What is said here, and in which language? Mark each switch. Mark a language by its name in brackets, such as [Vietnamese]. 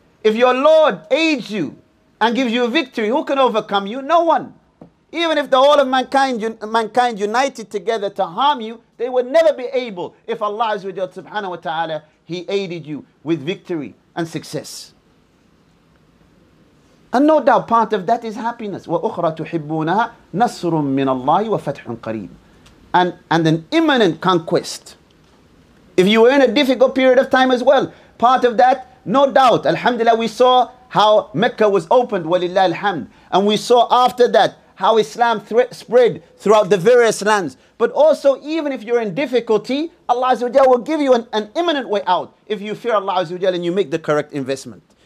[English] If your Lord aids you and gives you victory, who can overcome you? No one. Even if the whole of mankind united together to harm you, they would never be able if Allah Azza wa Jalla subhanahu wa ta'ala, He aided you with victory and success. And no doubt part of that is happiness. [Arabic] وَأُخْرَى تُحِبُّونَهَا نَصْرٌ مِّنَ اللَّهِ وَفَتْحٌ قَرِيبٌ [English] And an imminent conquest. If you were in a difficult period of time as well, part of that, no doubt, alhamdulillah, we saw how Mecca was opened, [Arabic] وَلِلَّهِ الْحَمْدِ [English] And we saw after that how Islam spread throughout the various lands. But also, even if you're in difficulty, Allah Azza wa Jalla will give you an imminent way out if you fear Allah Azza wa Jalla and you make the correct investment.